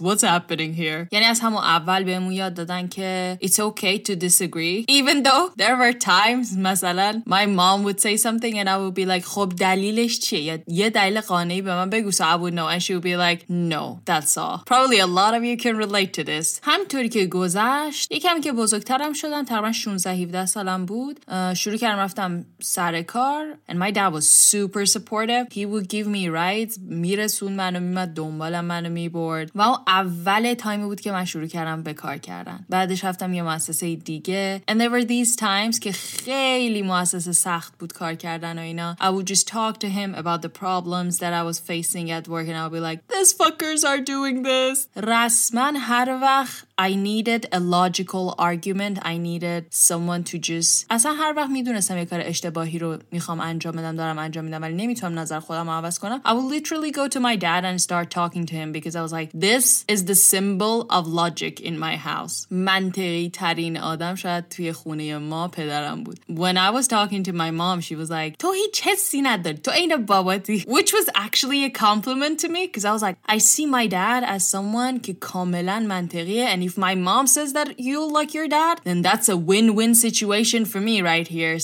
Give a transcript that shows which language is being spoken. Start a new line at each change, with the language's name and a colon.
English: What's happening here?
Persian: یعنی از همون اول بهمون یاد دادن که
English: it's okay to disagree. Even though there were times,
Persian: مثلا,
English: my mom would say something and I would be like,
Persian: خب دلیلش چیه؟ یه دلیل قانعی به من بگو.
English: So I would know. And she would be like, no, that's all. Probably a lot of you can relate to this.
Persian: همطوری که گذشت, یکم که بزرگترم شدم, تقریبا 16-17 سالم بود, شروع کردم رفتم سر کار
English: and my dad was super supportive. He would give me rides,
Persian: میرسون منو, میمد دنبالم منو میبرد و اون اول تایمی بود که من شروع کردم به کار کردن. بعدش رفتم یه مؤسسه دیگه
English: and there were these times
Persian: که خیلی مؤسسه سخت بود کار کردن و اینا.
English: I would just talk to him about the problems that I was facing at work and I would be like, these fuckers are doing this.
Persian: رسمن هر وقت
English: I needed a logical argument. I needed someone to just...
Persian: اصلا هر وقت میدونستم یک کار اشتباهی رو میخوام انجام بدم, دارم انجام میدم, ولی نمیتونم نظر خودم رو عوض کنم.
English: I would literally go to my dad and start talking to him because I was like, this is the symbol of logic in my house.
Persian: منطقی ترین آدم شاید توی خونه ما پدرم بود.
English: When I was talking to my mom, she was like,
Persian: تو هیچ حسی نداری, تو این باباتی.
English: Which was actually a compliment to me because I was like, I see my dad as someone
Persian: که کاملا منطقیه
English: and if my mom says that you like your dad, then that's a win-win situation for me right here.